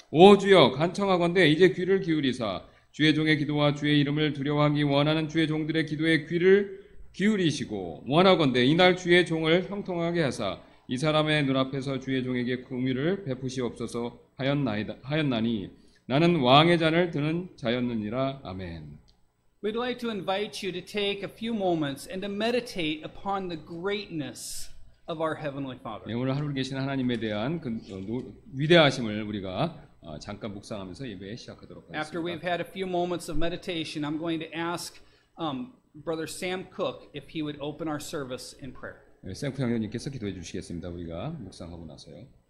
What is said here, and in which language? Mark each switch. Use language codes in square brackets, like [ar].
[ko] 오 주여, 간청하건대 이제 귀를 기울이사 주의 종의 기도와 주의 이름을 두려워하기 원하는 주의 종들의 기도에 귀를 기울이시고 원하건대 이날 주의 종을 형통하게 하사 이 사람의 눈앞에서 주의 종에게 긍휼을 베푸시옵소서 하였나니 나는 왕의 잔을 드는 자였느니라. 아멘. [en] We'd like to invite you to take a few moments and to meditate upon the greatness of our Heavenly Father. [ko] 예, 오늘 하루 계신 하나님에 대한 그 위대하심을 우리가 잠깐 묵상하면서 예배 시작하도록 하겠습니다. [en] After we've had a few moments of meditation, I'm going to ask Brother Sam Cook if he would open our service in prayer. [ko] 예, 샘쿠 형제님께서 기도해 주시겠습니다. 우리가 묵상하고 나서요.